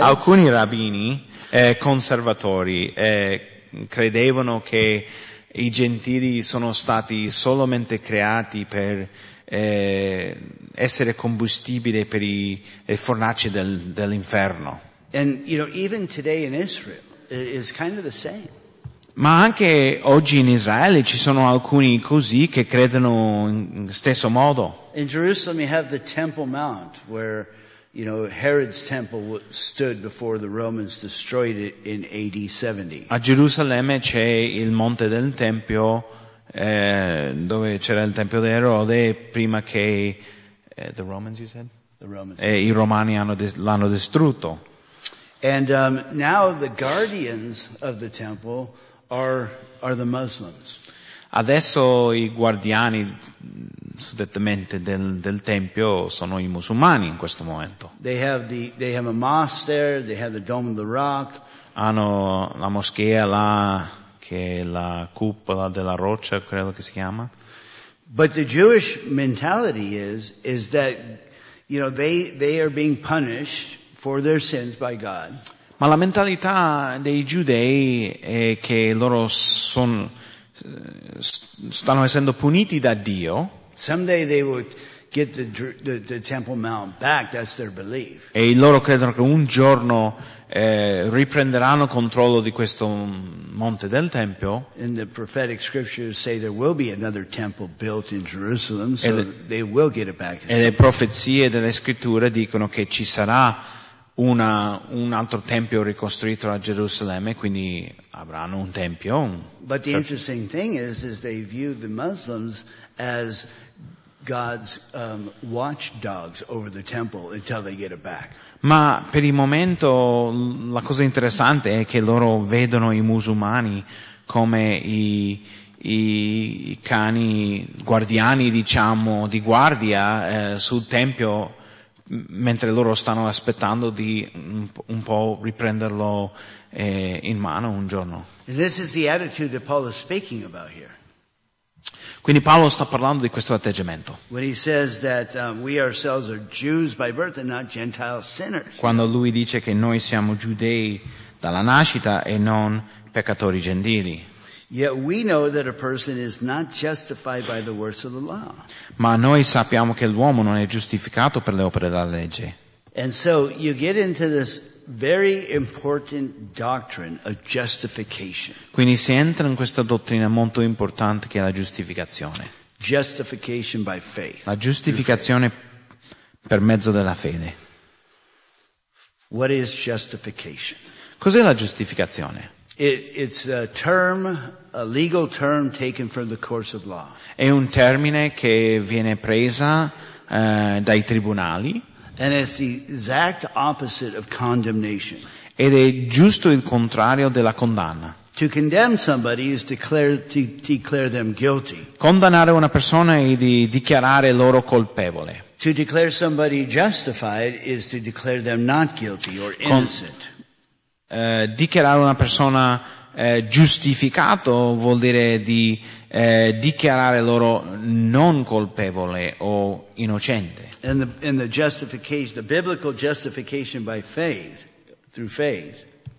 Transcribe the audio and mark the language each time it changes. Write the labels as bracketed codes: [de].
[it] Alcuni rabbini conservatori credevano che i gentili sono stati solamente creati per essere combustibile per i fornaci dell'inferno. [en] And, you know, even today in Israel is kind of the same. [it] Ma anche oggi in Israele ci sono alcuni così che credono in stesso modo. [en] In Jerusalem you have the Temple Mount where, you know, Herod's temple stood before the Romans destroyed it in AD 70. [it] A Gerusalemme c'è il Monte del Tempio dove c'era il tempio di Erode prima che [en] the Romans, you said? The Romans. [it] I Romani l'hanno distrutto. [en] And now the guardians of the temple are the Muslims. [it] Adesso i guardiani suddettamente del tempio sono i musulmani in questo momento. [en] They have a mosque there, they have the Dome of the Rock. [it] Hanno la moschea là, che la cupola della roccia, credo che si chiama. [en] But the Jewish mentality is that, you know, they are being punished for their sins by God. [it] Ma la mentalità dei giudei è che loro stanno essendo puniti da Dio. [en] Someday they would get the Temple Mount back, that's their belief. [it] E loro credono che un giorno riprenderanno controllo di questo monte del tempio. [en] And the prophetic scriptures say there will be another temple built in Jerusalem, so they will get it back. [it] E le profezie delle scritture dicono che ci sarà un altro tempio ricostruito a Gerusalemme, quindi avranno un tempio. [en] But the interesting thing is they view the Muslims as God's watchdogs over the temple until they get it back. [it] Ma per il momento la cosa interessante è che loro vedono i musulmani come i cani guardiani, diciamo, di guardia sul tempio, mentre loro stanno aspettando di un po' riprenderlo in mano un giorno. [en] And this is the attitude that Paul is speaking about here. [it] Quindi Paolo sta parlando di questo atteggiamento. [en] When he says that we ourselves are Jews by birth and not Gentile sinners. [it] Quando lui dice che noi siamo giudei dalla nascita e non peccatori gentili. [en] Yet we know that a person is not justified by the works of the law. [it] Ma noi sappiamo che l'uomo non è giustificato per le opere della legge. [en] And so you get into this very important doctrine of justification. [it] Quindi si entra in questa dottrina molto importante che è la giustificazione. [en] Justification by faith. [it] La giustificazione per mezzo della fede. [en] What is justification? [it] Cos'è la giustificazione? [en] It's a legal term taken from the course of law. [it] È un termine che viene presa dai tribunali. [en] And it's the exact opposite of condemnation. [it] Ed è giusto il contrario della condanna. [en] To condemn somebody is to declare them guilty. [it] Condannare una persona è di dichiarare loro colpevole. [en] To declare somebody justified is to declare them not guilty or innocent. [it] Dichiarare una persona giustificato vuol dire di dichiarare loro non colpevole o innocente. [en] And the justification, the biblical justification by faith, through faith.